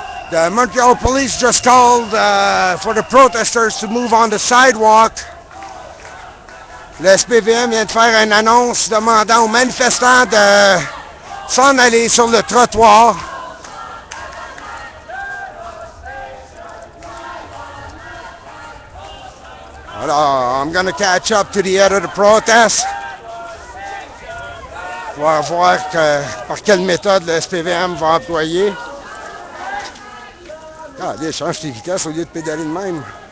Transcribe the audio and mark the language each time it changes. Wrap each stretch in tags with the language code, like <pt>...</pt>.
<en>The Montreal police just called for the protesters to move on the sidewalk.</en> <fr>Le SPVM vient de faire une annonce demandant aux manifestants de s'en aller sur le trottoir.</fr> <en>Alors, I'm going to catch up to the head of the protest.</en> <fr>Pour voir que, par quelle méthode le SPVM va employer. Ah, allez, change tes vitesses au lieu de pédaler de même.</fr>